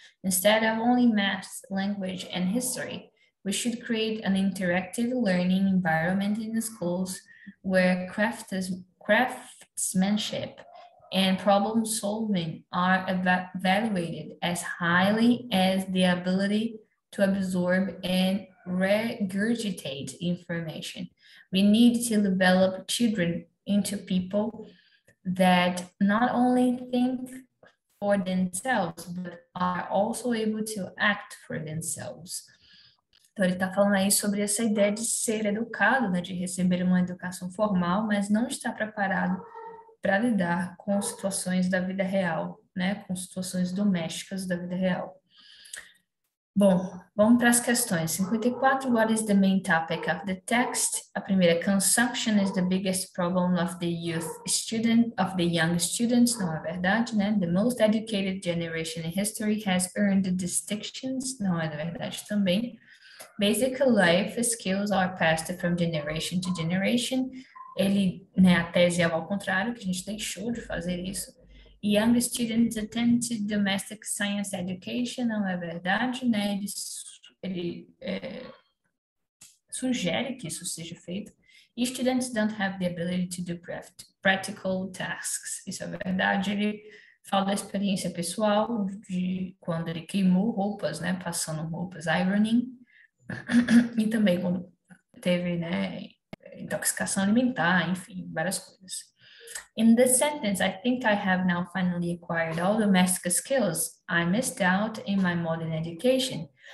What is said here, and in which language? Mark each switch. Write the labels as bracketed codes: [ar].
[en] Instead of only math, language, and history, we should create an interactive learning environment in the schools where craftsmanship and problem solving are evaluated as highly as the ability to absorb and regurgitate information. We need to develop children into people that not only think for themselves, but are also able to act for themselves. [pt] Então, ele está falando aí sobre essa ideia de ser educado, né, de receber uma educação formal, mas não estar preparado para lidar com situações da vida real, né, com situações domésticas da vida real. Bom, vamos para as questões. [en] 54, what is the main topic of the text? [pt] A primeira, [en] consumption is the biggest problem of the youth student, of the young students. [pt] Não é verdade, né? [en] The most educated generation in history has earned the distinctions. [pt] Não é verdade também. [en] Basic life skills are passed from generation to generation. [pt] Ele, né, a tese é ao contrário, que a gente deixou de fazer isso. [en] Young students attend to domestic science education, [pt] não é verdade, né? Ele sugere que isso seja feito. [en] E students don't have the ability to do practical tasks. [pt] Isso é verdade. Ele fala da experiência pessoal de quando ele queimou roupas, né? Passando roupas, ironing. E também quando teve, né, intoxicação alimentar, enfim, várias coisas. [en] In this sentence, I think I have now finally acquired all domestic skills I missed out in my modern education.